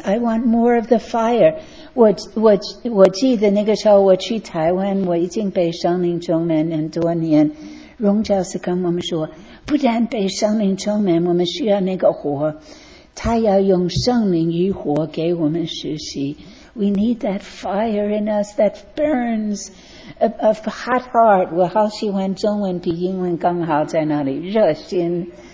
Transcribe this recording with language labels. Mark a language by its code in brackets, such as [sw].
[en] I want more of the fire. [zh] 我记得那个时候我去台湾，我已经被圣灵充满很多年。荣教士跟我们说，不但被圣灵充满，我们需要那个火，他要用圣灵与火给我们实习。 [en] We need that fire in us that burns of hot heart. [zh] 我好喜欢中文比英文更好，在那里热心。